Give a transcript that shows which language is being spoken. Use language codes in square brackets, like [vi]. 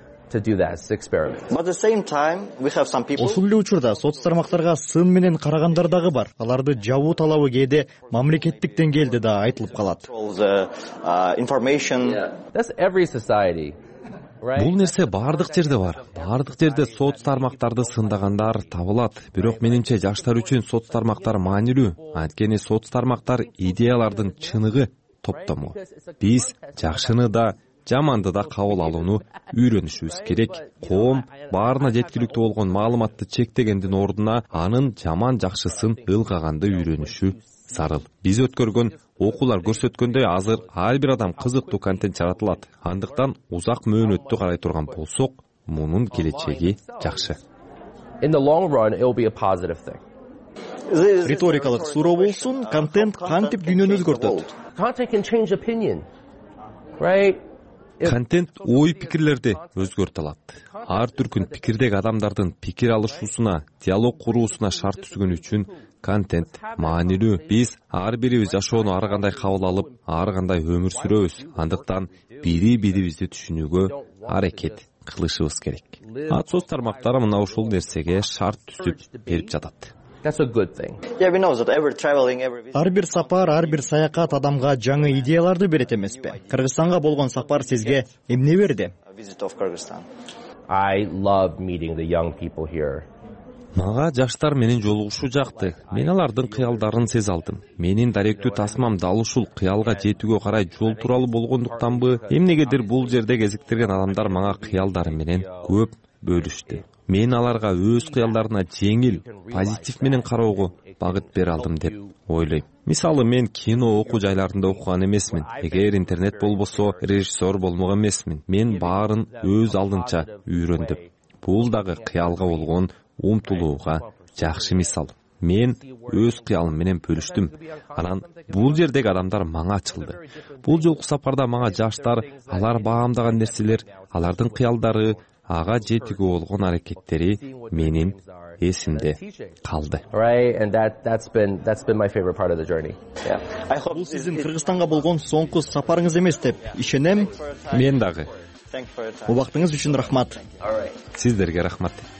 [en] To do that, it's experiment. But at the same time, we have some people. [ky] Ушул эле учурда соц тармактарга сын менен карагандар дагы бар. Аларды жабуу талабы кээде мамлекеттик деңгээлде да айтылып калат. [en] Information. That's every society. [ky] Бул нерсе бардык жерде бар. Бардык жерде соц тармактарды сындагандар табылат. Бирок менимче жаштар үчүн соц тармактар маанилүү. Анткени соц тармактар идеялардын чыныгы топтому. Биз жакшыны да жаманды да кабыл алууну үйрөнүшүбүз керек. Коом баарына жеткиликтүү болгон маалыматты чектегендин ордуна анын жаман жакшысын ылгаганды үйрөнүшү зарыл. Биз өткөргөн окуулар көрсөткөндөй азыр ар бир адам кызыктуу контент жаратылат. Андыктан узак мөөнөттү карай турган болсок, мунун келечеги жакшы. [en] In the long run, it will be a positive thing. [ky] Риторикалык суроо болсун, контент кантип дүйнөнү өзгөртөт? [en] Content can change opinion. Right? [ky] Контент ой пикирлерди өзгөртө алат. Ар түркүн пикирдеги адамдардын пикир алышуусуна, диалог куруусуна шарт түзгөн үчүн контент маанилүү. Биз ар бирибиз жашоону ар кандай кабыл алып, ар кандай өмүр сүрөбүз. Андыктан бири бирибизди түшүнүүгө аракет кылышыбыз керек. Соц тармактар мына ушул нерсеге шарт түзүп берип жатат. [en] That's a good thing. Yeah, we know that every traveling, every [ky] ар бир сапар, ар бир саякат адамга жаңы идеяларды берет эмеспи? Кыргызстанга болгон сапар сизге эмне берди? [en] Visit of Kyrgyzstan. I love meeting the young people here. [ky] Мага жаштар менен жолугушуу жакты. Мен алардын кыялдарын сез алдым. Менин даректүү тасмам дал ушул кыялга жетүүгө карай жол туралы болгондуктанбы? Эмнегедир бул жерде кезиктирген адамдар мага кыялдары менен көп бөлүштү. Мен аларга өз кыялдарына жеңил, позитив менен кароого багыт бере алдым деп ойлойм. Мисалы, мен кино окуу жайларында окуган эмесмин. Эгер интернет болбосо, режиссер болмок эмесмин. Мен баарын өз алдынча үйрөндүм. Бул дагы кыялга болгон умтулууга жакшы мисал. Мен өз кыялым менен бөлүштүм. Анан бул жердеги адамдар мага ачылды. Бул жолку сапарда мага жаштар, алар баамдаган нерселер, алардын кыялдары, ага жетиги болгон аракеттери менин эсимде калды. [en] That's been my favorite part of the journey. Yeah. I hope [ky] сиздин Кыргызстанга болгон соңку сапарыңыз эмес деп ишенем. Мен дагы. Убактыңыз үчүн рахмат. Сиздерге рахмат.